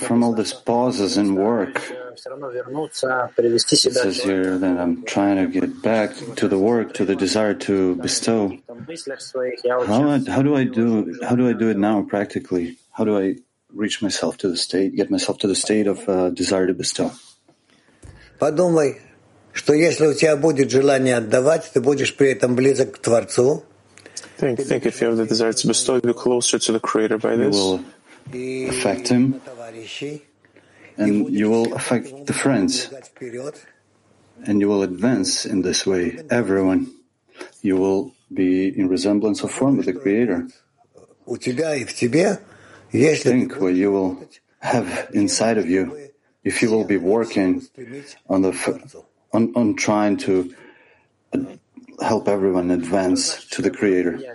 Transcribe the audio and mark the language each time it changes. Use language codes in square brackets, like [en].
[en] From all these pauses in work, it says here that I'm trying to get back to the work, to the desire to bestow. How do I do it now, practically? How do I reach myself to the state, get myself to the state of desire to bestow? [ru] Подумай, что если у тебя будет желание отдавать, ты будешь при этом близок к Творцу. [en] Think if you have the desire to bestow, you'll be closer to the Creator by this. You will affect him, and you will affect the friends, and you will advance in this way, everyone. You will be in resemblance of form with the Creator. Think what you will have inside of you if you will be working on trying to help everyone advance to the Creator.